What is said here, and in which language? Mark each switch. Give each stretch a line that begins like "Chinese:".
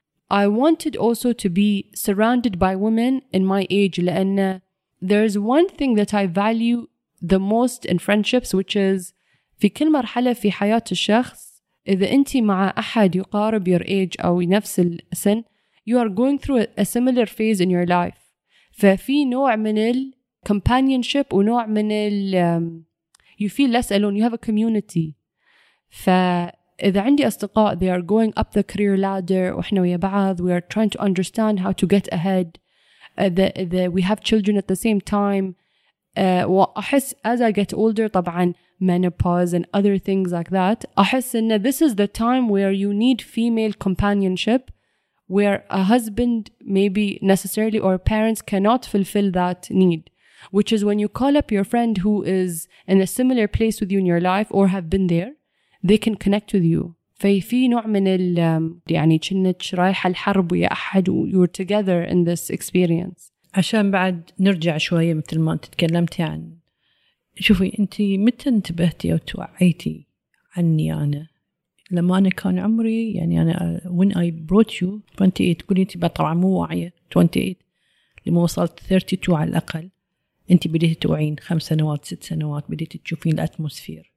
English: I wanted also to be surrounded by women in my age.
Arabic: لأن
English: there is one thing that I value the most in friendships, which is
Arabic: في كل مرحلة في حياة الشخص إذا أنت مع أحد يقارب
English: your age
Arabic: أو نفس السن,
English: you are going through a similar phase in your life.
Arabic: ففي نوع من ال companionship ونوع من ال
English: you feel less alone. You have a community.
Arabic: ف إذا عندي أصدقاء
English: they are going up the career ladder
Arabic: وإحنا ويا بعض
English: we are trying to understand how to get ahead, we have children at the same time.
Arabic: وأحس
English: as I get older طبعا menopause and other things like that,
Arabic: أحس إن
English: this is the time where you need female companionship, where a husband maybe necessarily or parents cannot fulfill that need, which is when you call up your friend who is in a similar place with you in your life or have been there, they can connect with you.
Arabic: في نوع من ال يعني كأنك رايح الحرب ويا أحد و
English: you're together in this experience.
Arabic: عشان بعد نرجع شوية مثل ما أنت تكلمتي عن شوفي أنت متى انتبهتي أو توعيتي عني أنا لما أنا كان عمري يعني أنا
English: when I brought you
Arabic: 28 تقولي أنت طبعا مو واعية 28 لما وصلت 32 على الأقل أنت بديت توعين 5 سنوات 6 سنوات بديت تشوفين الأتموسفير.